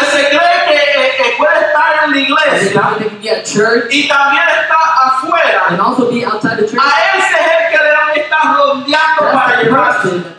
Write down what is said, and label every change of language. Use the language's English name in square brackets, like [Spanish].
[Spanish] Que se cree que puede estar en la iglesia. [English] And they can be at church. [Spanish] Y también está afuera. [English] And also be outside the church. [Spanish] A ese es el que le han estado rodeando para llevarse.